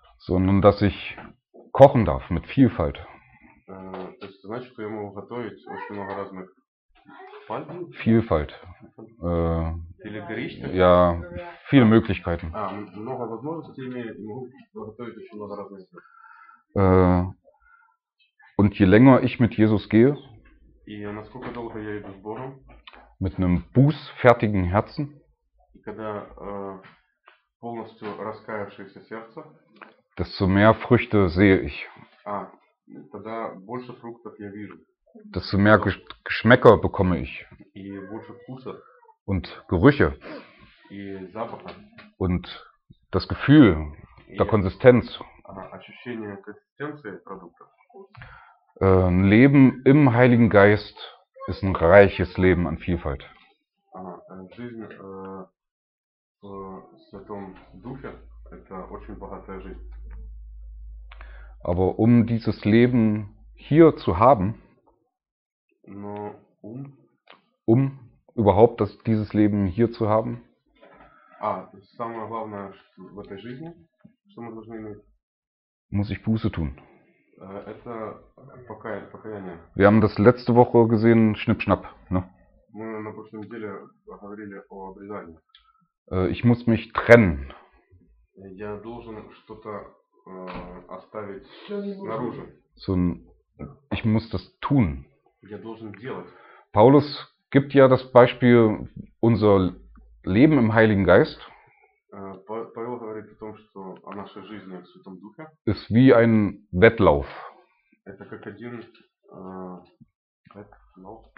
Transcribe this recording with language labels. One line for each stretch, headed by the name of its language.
German: Sondern dass ich kochen darf mit Vielfalt.
Russian: То есть, значит, я могу готовить очень много разных фальт?
German: Vielfalt. Viele Gerichte? Ja, viele Möglichkeiten.
Russian: Много возможностей имею, могу готовить очень много разных фальт.
German: Und je länger ich mit Jesus gehe,
Russian: и насколько долго я иду с Богом,
German: mit einem bußfertigen Herzen,
Russian: и когда полностью раскаявшееся сердце.
German: Desto mehr Früchte sehe ich.
Russian: Тогда больше фруктов я вижу.
German: Desto mehr Geschmäcker bekomme ich.
Russian: И больше вкуса.
German: Und Gerüche.
Russian: И запаха.
German: Und das Gefühl der Konsistenz.
Russian: Ощущение консистенции продукта.
German: Ein Leben im Heiligen Geist ist ein reiches Leben an Vielfalt.
Russian: Жизнь в Святом Духе это очень богатая жизнь.
German: Aber um dieses Leben hier zu haben,
Russian: но
German: um überhaupt das, dieses Leben hier zu haben,
Russian: самое главное в этой жизни, что мы должны иметь,
German: muss ich Buße tun.
Russian: Это покаяние.
German: Wir haben das letzte Woche gesehen, Schnippschnapp, ne?
Russian: Мы на прошлой неделе говорили о обрезании.
German: Ich muss mich trennen.
Russian: Я должен что-то оставить снаружи.
German: So, ich muss das tun.
Russian: Я должен делать.
German: Paulus gibt ja das Beispiel unser Leben im Heiligen Geist.
Russian: Павел говорит о том, что о нашей жизни в Святом Духе.
German: Ist wie ein Wettlauf.
Russian: Это как один Wettlauf.